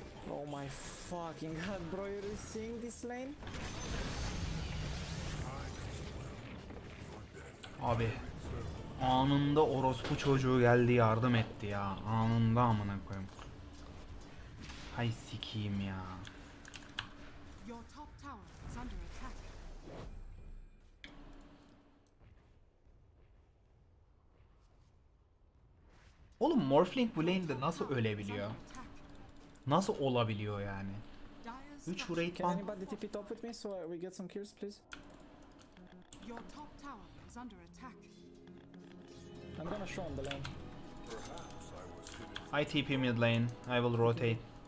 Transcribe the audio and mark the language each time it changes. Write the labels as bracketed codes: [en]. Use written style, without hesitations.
[en] Oh my fucking god, bro, are you really seeing this lane? [tr] Abi, anında orospu çocuğu geldi, yardım etti ya. Anında amına koyayım. Hay sikiyim ya. [en] Your top tower is under attack. [tr] Oğlum Morphling bu lane'de nasıl ölebiliyor? Nasıl olabiliyor yani? 3 Wraith [en] Bomb. Can anybody TP top with me so we get some kills please? Your top tower is under attack. I'm gonna show on the lane. I TP mid lane. I will rotate.